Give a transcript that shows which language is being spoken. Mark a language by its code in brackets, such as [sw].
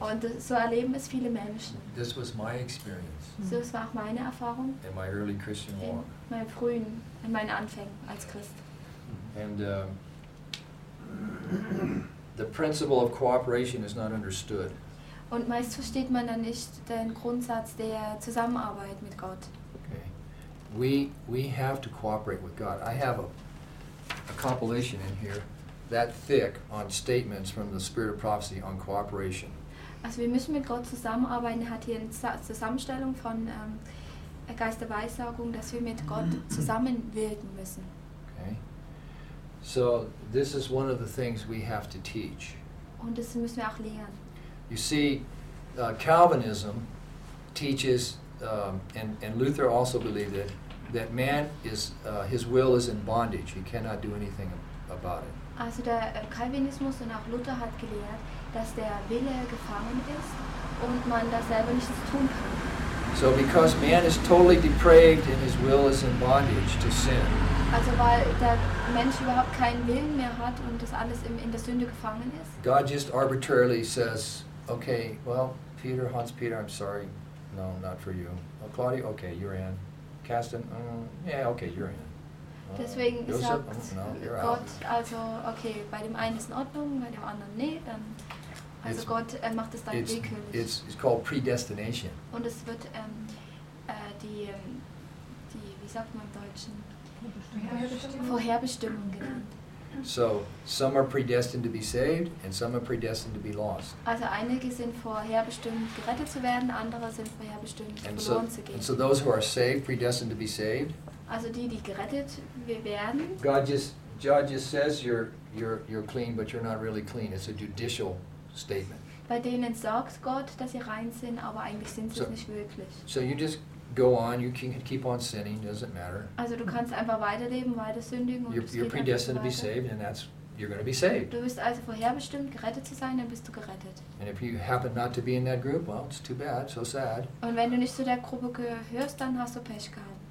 [de] Und das, so erleben es viele Menschen. [en] This was my experience. [de] So, es war auch meine Erfahrung. [en] In my early Christian walk. [de] In meinen Anfängen als Christ. [en] And the principle of cooperation is not understood. [de] Und meist versteht man dann nicht den Grundsatz der Zusammenarbeit mit Gott. [en] Okay. We have to cooperate with God. I have a compilation in here. That thick on statements from the Spirit of Prophecy on cooperation. [de] Also, wir müssen mit Gott zusammenarbeiten. Hat hier eine Zusammenstellung von Geist der Weissagung, dass wir mit Gott zusammenwirken müssen. [en] Okay. So this is one of the things we have to teach. [de] Und das müssen wir auch lehren. [en] You see, Calvinism teaches, and Luther also believed it, that man is his will is in bondage. He cannot do anything about it. [de] Also der Calvinismus und auch Luther hat gelehrt, dass der Wille gefangen ist und man da selber nichts tun kann. [en] So because man is totally depraved and his will is in bondage to sin. [de] Also weil der Mensch überhaupt keinen Willen mehr hat und das alles in der Sünde gefangen ist. [en] God just arbitrarily says, okay, well, Peter, Hans-Peter, I'm sorry. No, not for you. Well, Claudia, okay, you're in. Kasten, yeah, okay, you're in. [de] Deswegen sagt Gott, also okay, bei dem einen ist in Ordnung, bei dem anderen nee, dann also [en] it's, [de] Gott macht es dann willkürlich. [en] It's called predestination. [de] Und es wird die wie sagt man im Deutschen Vorherbestimmung genannt. [en] So some are predestined to be saved and some are predestined to be lost. [de] Also einige sind vorherbestimmt gerettet zu werden, andere sind vorherbestimmt [en] and [de] verloren so, zu gehen. [en] And so those who are saved, predestined to be saved. [de] Also die gerettet werden. [en] God just says you're clean, but you're not really clean. It's a judicial statement. [de] Bei denen sagt Gott, dass sie rein sind, aber eigentlich sind sie so, es nicht wirklich. [en] So you just go on. You can keep on sinning. Doesn't matter. [de] Also du kannst einfach weiterleben, weiter sündigen. [en] You're predestined to be saved, and that's you're going to be saved. [de] Du bist also vorherbestimmt, gerettet zu sein, dann bist du gerettet. [en] And if you happen not to be in that group, well, it's too bad. So sad. [de] Und wenn du nicht zu der Gruppe gehörst, dann hast du Pech gehabt.